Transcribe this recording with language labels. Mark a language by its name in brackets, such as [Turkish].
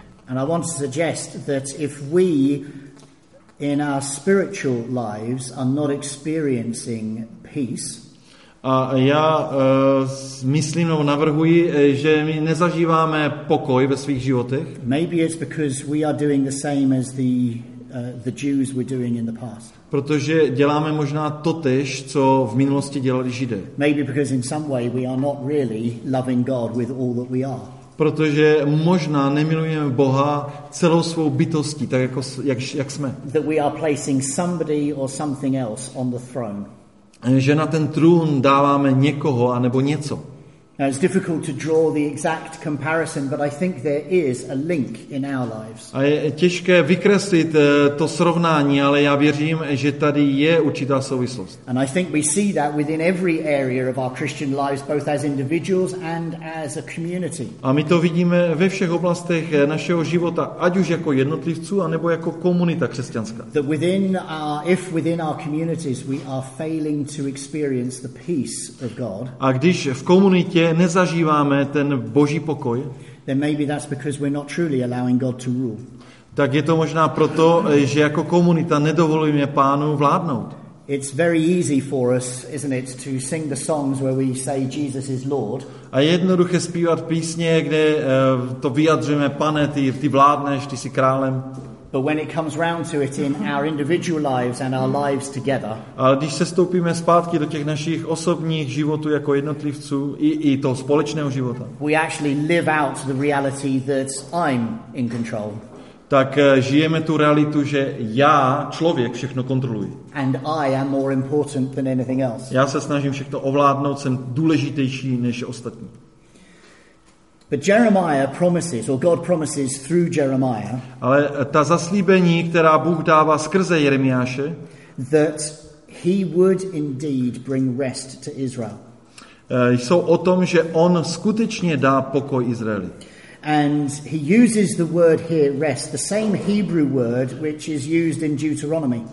[English] And I want to suggest that if we in our spiritual lives are not experiencing peace, [Czech] a já myslím nebo navrhuji, že my nezažíváme pokoj ve svých životech. [English] Maybe it's because we are doing the same as the Jews were doing in the past. [Czech] Protože děláme možná totéž, co v minulosti dělali Židé. [English] Maybe because in some way we are not really loving God with all that we are. [Czech] Protože možná nemilujeme Boha celou svou bytostí, tak jako jak jsme. [English] That we are placing somebody or something else on the throne. [Czech] Že na ten trůn dáváme někoho a nebo něco. [English] It's difficult to draw the exact comparison, but I think there is a link in our lives. [Czech] A je těžké vykreslit to srovnání, ale já věřím, že tady je určitá souvislost. [English] And I think we see that within every area of our Christian lives, both as individuals and as a community. [Czech] A my to vidíme ve všech oblastech našeho života, ať už jako jednotlivců, anebo jako komunita křesťanská. [English] That within our communities we are failing to experience the peace of God. [Czech] A když v komunitě nezažíváme ten boží pokoj, [English] then maybe that's because we're not truly allowing God to rule. [Czech] Tak je to možná proto, že jako komunita nedovolujeme Pánu vládnout. [English] It's very easy for us, isn't it, to sing the songs where we say Jesus is Lord. [Czech] A jednoduché zpívat písně, kde to vyjadřujeme: Pane, ty vládneš, ty jsi králem. [English] But when it comes round to it in our individual lives and our lives together. [Czech] Ale když se stoupíme zpátky do těch našich osobních životů jako jednotlivců i toho společného života. [English] We actually live out the reality that I'm in control. [Czech] Tak žijeme tu realitu, že já, člověk, všechno kontroluji. [English] And I am more important than anything else. [Czech] Já se snažím všechno ovládnout, jsem důležitější než ostatní. [English] But Jeremiah promises, or God promises through Jeremiah. [Czech] Ale ta zaslíbení, která Bůh dává skrze Jeremiáše, [English] that he would indeed bring rest to Israel. [Czech] Jsou o tom, že on skutečně dá pokoj Izraeli. [English] And he uses the word here rest, the same Hebrew word which is used in Deuteronomy.